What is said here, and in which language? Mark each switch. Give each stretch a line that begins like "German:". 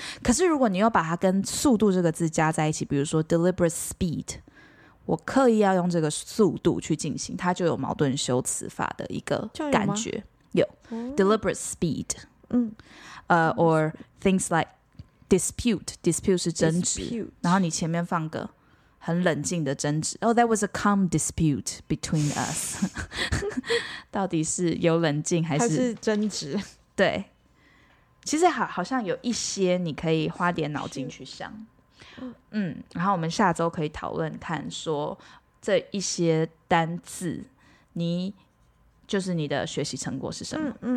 Chinese: 可是如果你又把它跟速度这个字加在一起，比如说 deliberate speed, 我刻意要用这个速度去进行，它就有矛盾修辞法的一个感觉。
English: 有 deliberate speed, or things like dispute
Chinese: 是争执、
English: dispute.
Chinese: 然后你前面放个很冷静的争执。
English: Oh, that was a calm dispute between us.
Chinese: 到底是有冷静还是争执？对，其实 好像有一些你可以花点脑筋去想。然后我们下周可以讨论看说这一些单字，你就是你的学习成果是什么？